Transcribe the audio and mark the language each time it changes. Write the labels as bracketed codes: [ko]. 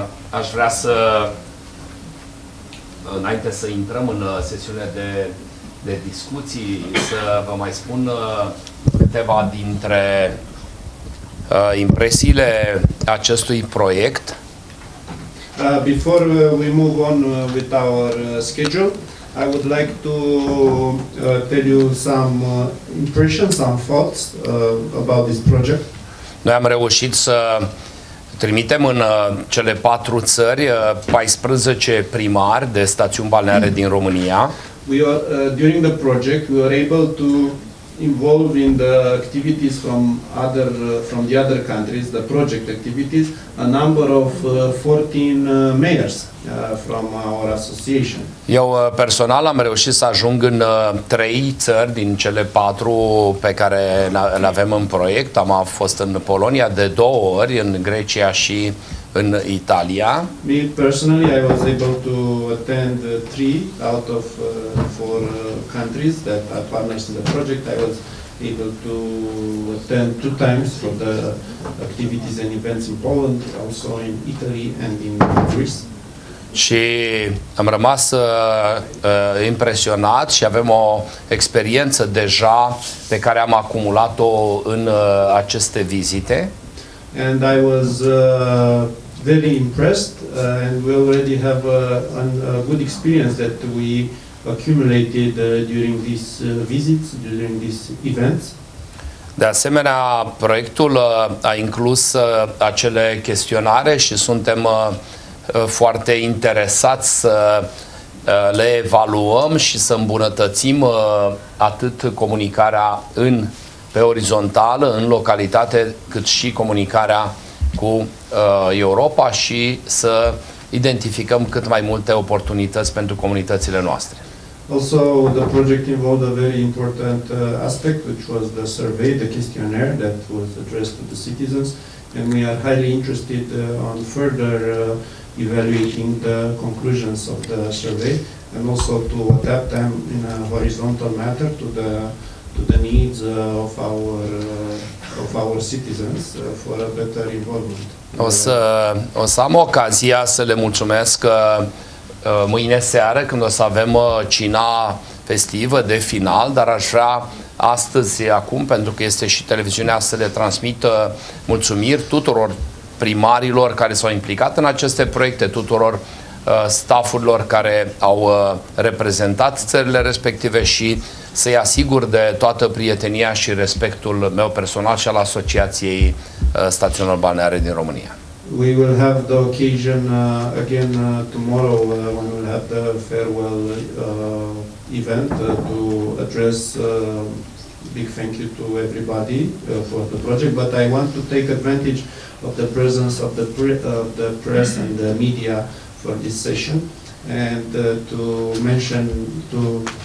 [ro] Aș vrea să, înainte să intrăm în sesiune de discuții, să vă mai spun câteva dintre impresiile acestui proiect. [en] Before we move on with our schedule, I would like to tell you some impressions, some thoughts about this project. [ro] Noi am reușit să trimitem în cele patru țări 14 primari de stațiuni balneare din România. [en] We are, during the project, we were able to involve in the activities from other from the other countries, the project activities, a number of 14 mayors from our association. [ro] Eu personal am reușit să ajung în trei țări din cele patru pe care le avem în proiect. Am fost în Polonia de două ori, în Grecia și în Italia. [en] Me personally, I was able to attend three out of four countries that are partners in the project. I was able to attend two times for the activities and events in Poland, also in Italy and in Greece. [ro] Și am rămas impresionat și avem o experiență deja pe care am acumulat-o în aceste vizite. [en] And I was very impressed and we already have a good experience that we accumulated during these visits, during these events. [ro] De asemenea, proiectul a inclus acele chestionare și suntem foarte interesați să le evaluăm și să îmbunătățim atât comunicarea în pe orizontală, în localitate, cât și comunicarea cu Europa și să identificăm cât mai multe oportunități pentru comunitățile noastre. [en] Also, the project involved a very important aspect, which was the survey, the questionnaire that was addressed to the citizens, and we are highly interested on further evaluating the conclusions of the survey and also to adapt them in a horizontal matter to the needs of our citizens for a better involvement. [ro] O să am ocazia să le mulțumesc mâine seară când o să avem cina festivă de final, dar aș vrea astăzi, acum, pentru că este și televiziunea, să le transmită mulțumiri tuturor primarilor care s-au implicat în aceste proiecte, tuturor staffurilor care au reprezentat țările respective și să-i asigur de toată prietenia și respectul meu personal și al Asociației Stațiunilor Balneare din România. [en] We will have the occasion again tomorrow when we'll have the farewell event to address big thank you to everybody for the project, but I want to take advantage of the presence of the press and the media for this session and to